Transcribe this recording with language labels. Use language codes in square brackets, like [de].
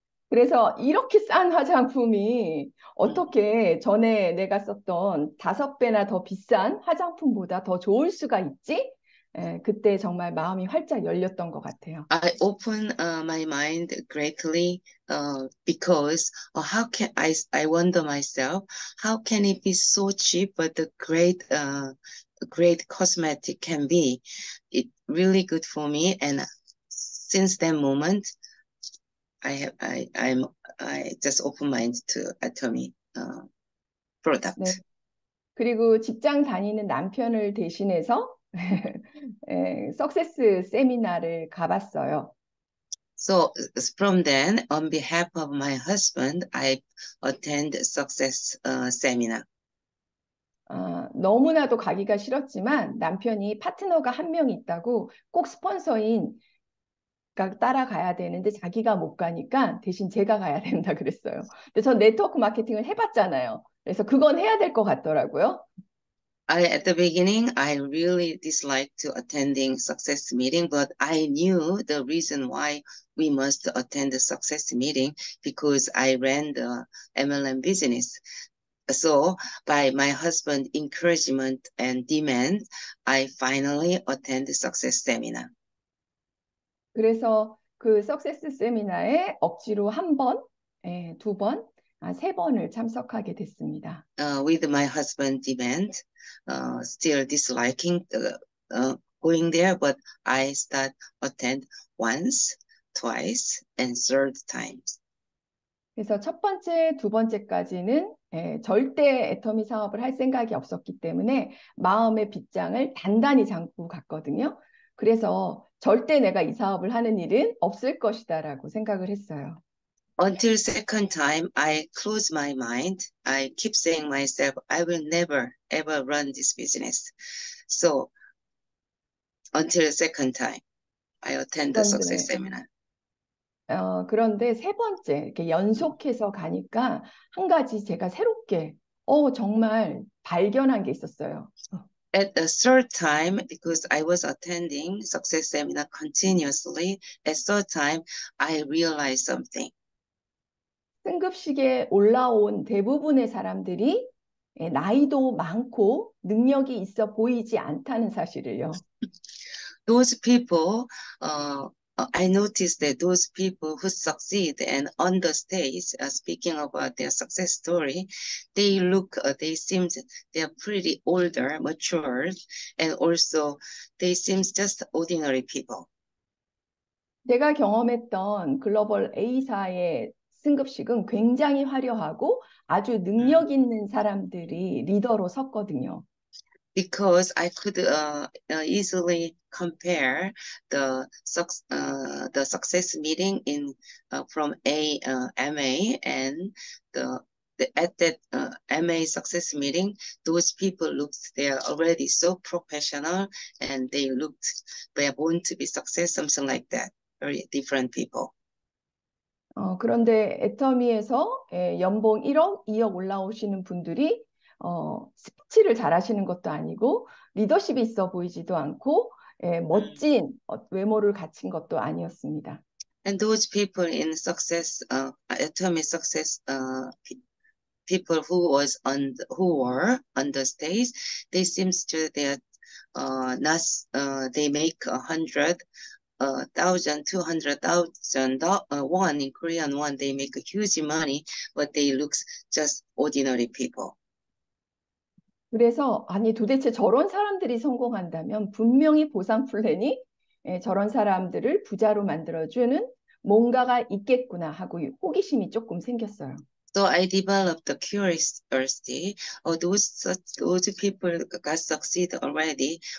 [ko] 그래서 이렇게 싼 화장품이 어떻게 전에 내가 썼던 5배나 더 비싼 화장품보다 더 좋을 수가 있지? 그때 정말 마음이 활짝 열렸던 것 같아요. [en] I open my mind greatly because how can I wonder myself how can it be so cheap but the great cosmetic can be it really good for me and since that moment I just open mind to Atomy product. [ko] 네. 그리고 직장 다니는 남편을 대신해서 석세스 세미나를 가봤어요. [en] So from then, on behalf of my husband, I attend success seminar. [ko] 너무나도 가기가 싫었지만 남편이 파트너가 한명 있다고 꼭 스폰서인가 따라가야 되는데 자기가 못 가니까 대신 제가 가야 된다 그랬어요. 근데 전 네트워크 마케팅을 해봤잖아요. 그래서 그건 해야 될것 같더라고요. [en] At the beginning, I really disliked to attending success meeting, but I knew the reason why we must attend the success meeting because I ran the MLM business. So by my husband's encouragement and demand, I finally attend the success seminar. [ko] 그래서 그 석세스 세미나에 억지로 한 번, 두 번, 세 번을 참석하게 됐습니다. [en] With my husband's demand, still disliking going there, but I start attend once, twice, and third times. [ko] 그래서 첫 번째, 두 번째까지는 절대 애터미 사업을 할 생각이 없었기 때문에 마음의 빗장을 단단히 잡고 갔거든요. 그래서 절대 내가 이 사업을 하는 일은 없을 것이다라고 생각을 했어요. [en] Until second time, I close my mind. I keep saying myself, I will never ever run this business. So, until second time, I attend the success [ko] 그런데 [en] seminar. [ko] 세 번째 이렇게 연속해서 가니까 한 가지 제가 새롭게 정말 발견한 게 있었어요. [en] At the third time, because I was attending success seminar continuously, at third time, I realized something. [ko] 승급식에 올라온 대부분의 사람들이 나이도 많고 능력이 있어 보이지 않다는 사실을요. [en] Those people, I noticed that those people who succeed and on the stage, speaking about their success story, they seem they are pretty older, matured, and also they seem just ordinary people. [ko] 제가 경험했던 글로벌 A사의 승급식은 굉장히 화려하고 아주 능력 있는 사람들이 리더로 섰거든요. [en] Because I could easily compare the success meeting in from A MA and the at that MA success meeting, those people looked they are already so professional and they are born to be success, something like that. Very different people. [ko] 그런데 애터미에서 연봉 1억, 2억 올라오시는 분들이 스피치를 잘하시는 것도 아니고 리더십이 있어 보이지도 않고 멋진 외모를 갖춘 것도 아니었습니다. [en] And those people in success, Atomy success, people who were on the stage, they seems to that, not, they make $200,000 in Korean won, they make a huge money, but they look just ordinary people. [ko] 그래서, 아니, 도대체 저런 사람들이 성공한다면 분명히 보상 플랜이 저런 사람들을 부자로 만들어주는 뭔가가 있겠구나 하고 호기심이 조금 생겼어요. [en] So I developed the curiosity. Oh, those people got succeed already.